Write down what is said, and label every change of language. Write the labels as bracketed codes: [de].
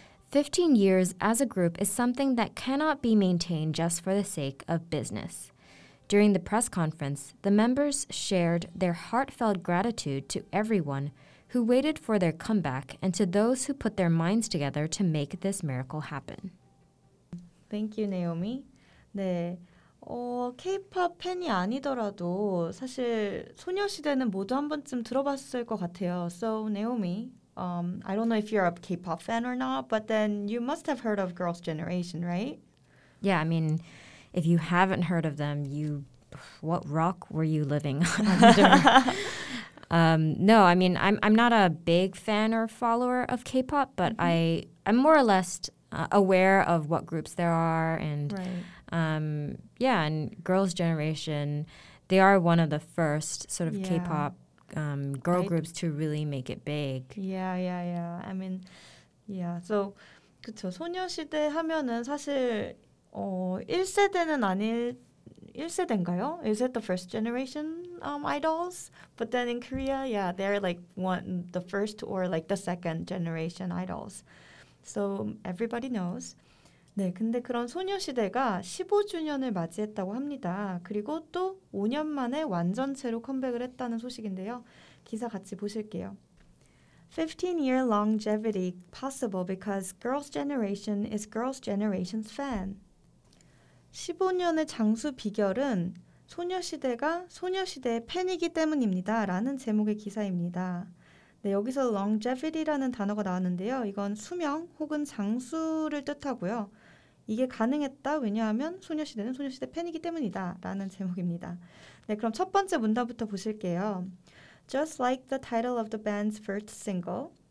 [en] 15 years as a group is something that cannot be maintained just for the sake of business. During the press conference, the members shared their heartfelt gratitude to everyone who waited for their comeback and to those who put their minds together to make this miracle happen. Thank you, Naomi. [ko] 네, K-pop 팬이 아니더라도 사실 소녀시대는 모두 한 번쯤 들어봤을 것 같아요. [en] So, Naomi, I don't know if you're a K-pop fan or not, but then you must have heard of Girls' Generation, right? Yeah, I mean, if you haven't heard of them, what rock were you living under? No, I mean, I'm not a big fan or follower of K-pop, but I'm more or less aware of what groups there are. And and Girls' Generation, they are one of the first sort of K-pop girl groups to really make it big. I mean, So, 그쵸. [ko] 소녀시대 하면은 사실 1세대는 아닐 1세대인가요? [en] Is it the first generation idols? But then in Korea, they're like the first or like the second generation idols. So everybody knows. [ko] 네, 근데 그런 소녀시대가 15주년을 맞이했다고 합니다. 그리고 또 5년 만에 완전체로 컴백을 했다는 소식인데요. 기사 같이 보실게요. [en] 15-year longevity possible because Girls' Generation is Girls' Generation's fan. [ko] 15년의 장수 비결은 소녀시대가 소녀시대의 팬이기 때문입니다. 라는 제목의 기사입니다. 네, 여기서 longevity라는 단어가 나왔는데요. 이건 수명 혹은 장수를 뜻하고요. 이게 가능했다. 왜냐하면 소녀시대는 소녀시대 팬이기 때문이다. 라는 제목입니다. 네, 그럼 첫 번째 문단부터 보실게요. [en] Just like the title of the band's first single.